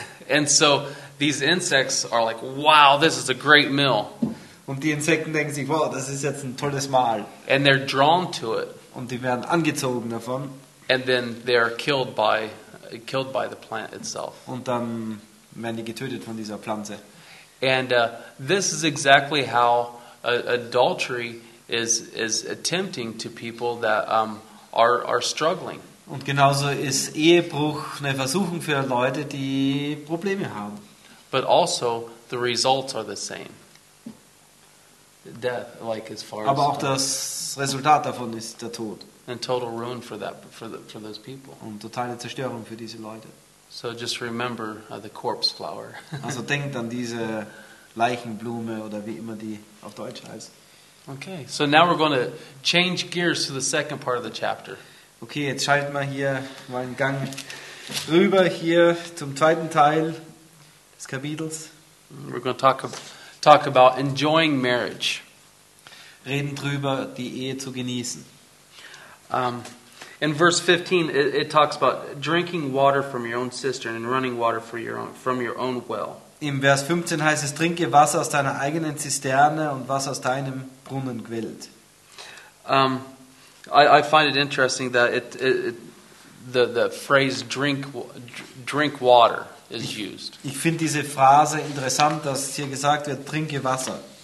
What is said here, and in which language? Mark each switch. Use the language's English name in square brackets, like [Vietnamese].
[English] And so these insects are like, wow, this is a great meal. [German] Und die Insekten denken sich, wow, das ist jetzt ein tolles Mahl. [English] And they're drawn to it. [German] Und die werden angezogen davon. [English] And then they're killed by the plant itself. [German] Und dann werden die getötet von dieser Pflanze. [English] And this is exactly how adultery is attempting to people that are struggling. [German] Und genauso ist Ehebruch eine Versuchung für Leute, die Probleme haben. [English] But also the results are the same. Death, like as far [German] aber [English] as [German] auch das Resultat davon ist der Tod. [English] And total ruin for that for those people. [German] Und totale Zerstörung für diese Leute. [English] So just remember the corpse flower. [German] Also denkt an diese Leichenblume oder wie immer die auf Deutsch heißt. [English] Okay, so now we're going to change gears to the second part of the chapter. [German] Okay, jetzt schalten wir hier mal einen Gang rüber hier zum zweiten Teil des Kapitels. [English] We're going to talk about enjoying marriage. [German] Reden drüber, die Ehe zu genießen. [English] In verse 15, it talks about drinking water from your own cistern and running water from your own well. [German] Im Vers 15 heißt es, trinke Wasser aus deiner eigenen Zisterne und Wasser aus deinem Brunnen quillt. [English] I find it interesting that the phrase drink water is used. [German] Ich finde diese Phrase interessant, dass hier gesagt wird, trinke Wasser.